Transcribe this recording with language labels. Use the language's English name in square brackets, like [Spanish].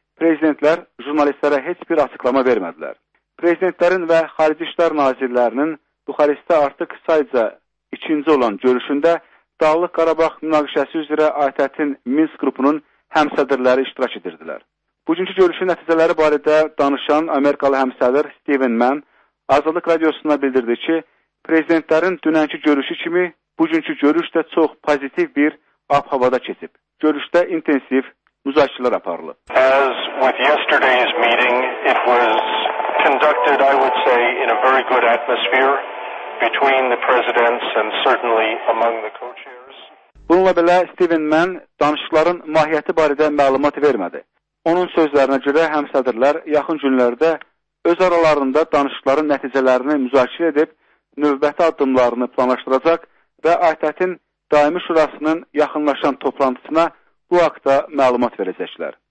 [Azerbaijani] Prezidentlər jurnalistlərə heç bir açıqlama vermədilər. Prezidentlərin və Xarici İşlər Nazirlərinin Buxarestdə artıq sayca ikinci olan görüşündə Dağlıq Qarabağ münaqişəsi üzrə ATƏT-in Minsk qrupunun həmsədrləri iştirak edirdilər. Bugünkü görüşün nəticələri barədə danışan Amerikalı həmsədr Steven Mann Azadlıq Radiosuna bildirdi ki, prezidentlərin dünənki görüşü kimi bugünkü görüş də çox pozitiv bir ab-havada keçib. Görüşdə intensiv müzakirələr aparılıb. [English] As with yesterday's meeting, it was conducted, I would say, in a very good atmosphere between the presidents and certainly among the co-chairs. [Azerbaijani] Bununla belə Steven Mann danışıqların mahiyyəti barədə məlumat vermədi. Onun sözlərinə görə həmsədrlər yaxın günlərdə öz aralarında danışıqların nəticələrini müzakirə edib, növbəti addımlarını planlaşdıracaq və ATƏT-in daimi şurasının yaxınlaşan toplantısına bu haqda məlumat verəcəklər.